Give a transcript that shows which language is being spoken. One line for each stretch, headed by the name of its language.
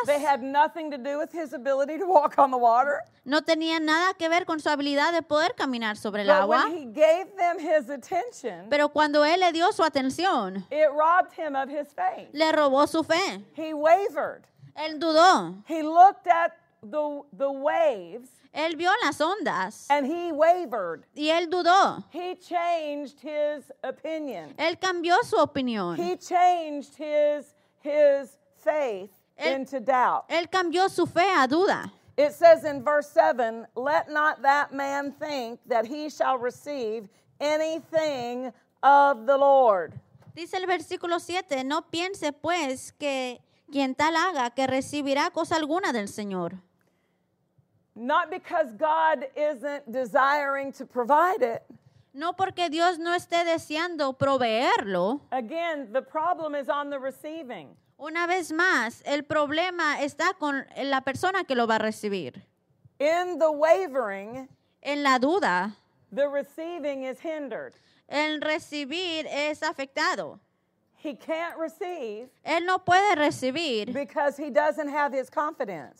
English: They had nothing to do with his ability to walk on the water.
Spanish: No tenía nada que ver con su habilidad de poder caminar sobre el
English: but
Spanish: agua.
English: But when he gave them his attention,
Spanish: pero cuando él le dio su atención,
English: it robbed him of his faith.
Spanish: Le robó su fe.
English: He wavered.
Spanish: Él dudó.
English: He looked at the waves.
Spanish: Él vio las ondas.
English: And he wavered.
Spanish: Y él dudó.
English: He changed his opinion.
Spanish: Él cambió su opinión.
English: He changed his faith into doubt.
Spanish: Él cambió su fe a duda.
English: It says in verse 7, let not that man think that he shall receive anything of the Lord.
Spanish: Dice el versículo 7, no piense pues que quien tal haga que recibirá cosa alguna del Señor.
English: Not because God isn't desiring to provide it.
Spanish: No porque Dios no esté deseando proveerlo.
English: Again, the problem is on the receiving.
Spanish: Una vez más, el problema está con la persona que lo va a recibir.
English: In the wavering,
Spanish: en la duda,
English: the receiving is hindered.
Spanish: El recibir es afectado.
English: He can't receive.
Spanish: Él no puede recibir.
English: Because he doesn't have his confidence.